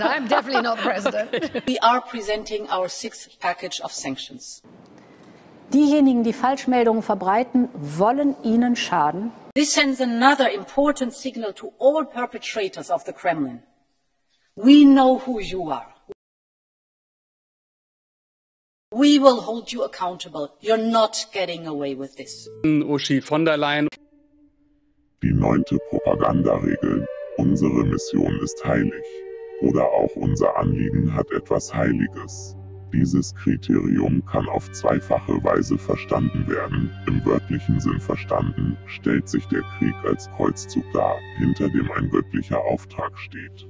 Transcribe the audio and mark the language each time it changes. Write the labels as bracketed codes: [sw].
[en] I'm definitely not the president. Okay. We are presenting our 6th package of sanctions. [de] Diejenigen, die Falschmeldungen verbreiten, wollen ihnen schaden. [en] This sends another important signal to all perpetrators of the Kremlin. We know who you are. We will hold you accountable. You're not getting away with this. [de] Uschi von der Leyen. Die 9. Propagandaregel. Unsere Mission ist heilig. Oder auch unser Anliegen hat etwas Heiliges. Dieses Kriterium kann auf zweifache Weise verstanden werden. Im wörtlichen Sinn verstanden, stellt sich der Krieg als Kreuzzug dar, hinter dem ein göttlicher Auftrag steht.